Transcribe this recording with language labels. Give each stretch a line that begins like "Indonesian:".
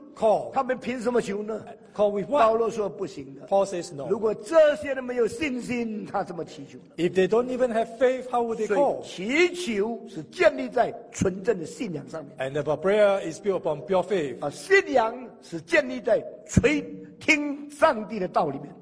English: Call.
Chinese: 他们凭什么求呢
English: ？Call with what?
Chinese: 保罗说不行的。
English: Paul says no.
Chinese: 如果这些人没有信心，他怎么祈求呢
English: ？If they don't even have faith, how would they call?
Chinese: 所以祈求是建立在纯正的信仰上面。
English: And the prayer is built upon pure faith.
Chinese: 啊，信仰是建立在垂听上帝的道里面。